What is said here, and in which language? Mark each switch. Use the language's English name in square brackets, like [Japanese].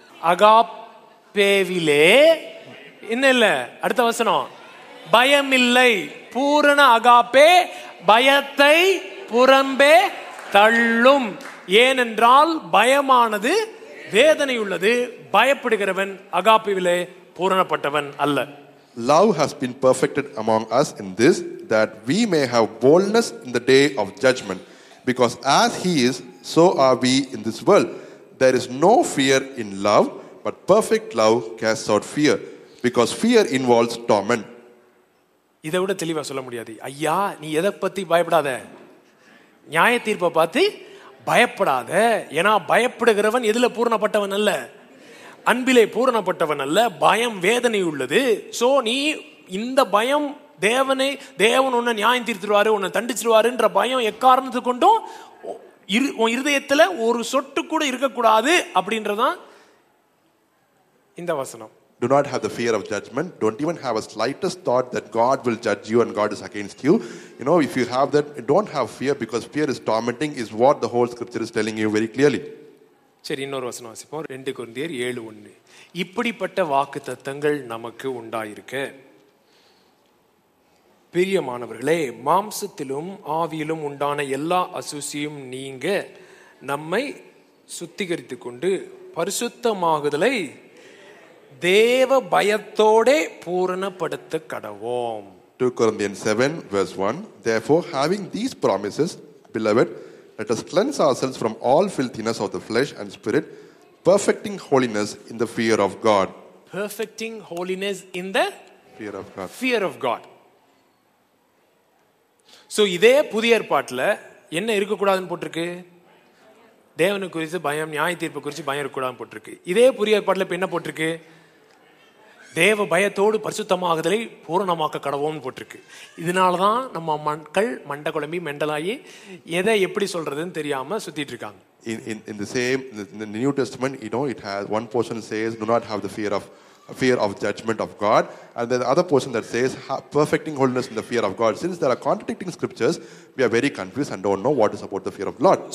[Tamil] அகாப் பேவிலே என்ன இல்ல, அடுத்த வசனம், பயம் இல்லை, பூரண அகாப்பே பயத்தை புறம்பே தள்ளும். ஏனென்றால் பயமானது வேதனை உள்ளது. பயப்படுகிறவன் அகாப்பிலே பூரணப்பட்டவன் அல்ல. [English] Love has been perfected among us in this, that we may have boldness in the day of judgment, because as he is, so are we in this world. There is no fear in love, but perfect love casts out fear, because fear involves torment. [Tamil] இதோட தெளிவா சொல்ல முடியாது. ஐயா, நீ எதை பத்தி பயப்படாத? நியாய தீர்ப்பை பார்த்து பயப்படாத. ஏன்னா பயப்படுகிறவன் எதுல பூரணப்பட்டவன் அல்ல, அன்பிலே பூரணப்பட்டவன் அல்ல. பயம் வேதனை உள்ளது. சோ நீ இந்த பயம், தேவனை தேவன் உன்னை நியாயம் தீர்த்துருவாரு, உன்னை தண்டிச்சிருவாருன்ற பயம் எக்காரணத்தை கொண்டும் இருதயத்துல ஒரு சொட்டு கூட இருக்கக்கூடாது அப்படின்றதான் இந்த வசனம். [English] Do not have the fear of judgment. Don't even have a slightest thought that God will judge you and God is against you. You know, if you have that, don't have fear, because fear is tormenting, is what the whole scripture is telling you very clearly. [Tamil] சரி, இன்னொரு வசனம் வாசிப்போம். 2 கொரிந்தியர் 7:1. இப்படிப்பட்ட வாக்குத்தத்தங்கள் நமக்கு உண்டாயிருக்க, பிரியமானவர்களே, மாம்சத்திலும் ஆவியிலும் உண்டான எல்லா அசுசியும் நீங்க நம்மை சுத்திகரித்து கொண்டு பரிசுத்தமாகுதலை தேவ பயத்தோட பூரணப்படுத்த கடவோம். [English] 2 Corinthians 7:1. Therefore, having these promises, beloved, let us cleanse ourselves from all filthiness of the flesh and spirit, perfecting holiness in the fear of God. Perfecting holiness in the fear of God. Fear of God. [Tamil] So, இதே புதிய ஏற்பாட்டில் என்ன இருக்கக்கூடாதுன்னு போட்டிருக்கு? தேவனுக்கு குறித்து பயம், நியாய தீர்ப்பு குறித்து பயம் இருக்கக்கூடாதுன்னு போட்டிருக்கு. இதே புதிய ஏற்பாட்டில் இப்போ என்ன போட்டிருக்கு? தேவ பயத்தோடு பரிசுத்தமாகுதலை பூரணமாக்க கடவோம்னு போட்டிருக்கு. இதனாலதான் நம்ம மக்கள் மண்ட குழம்பி மெண்டலாகி எதை எப்படி சொல்றதுன்னு தெரியாம சுத்திட்டு இருக்காங்க. [English] In the same, in the New Testament, you know, it has one portion says, do not have the fear of judgment of God, and then the other portion that says perfecting holiness in the fear of God. Since there are contradicting scriptures, we are very confused and don't know what is about the fear of God.